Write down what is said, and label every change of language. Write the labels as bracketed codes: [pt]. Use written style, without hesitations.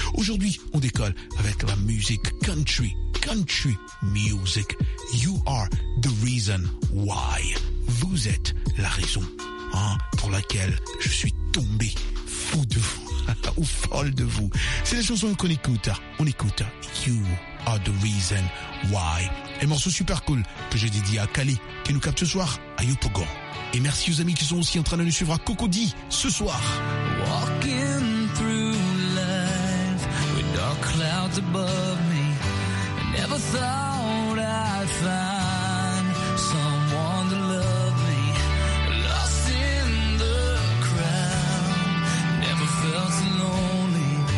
[fr] Aujourd'hui, on décolle avec la musique country. [en] Country music. You are the reason why. [fr] Vous êtes la raison pour laquelle je suis tombé fou de vous ou folle de vous. C'est la chanson qu'on écoute. On écoute You are the reason why. Un morceau super cool que j'ai dédié à Kali qui nous capte ce soir à Yopogon. Et merci aux amis qui sont aussi en train de nous suivre à Cocody ce soir. [en] Walking through life with dark clouds above me. Never thought I'd find someone to love me. Lost in the crowd, never felt so lonely.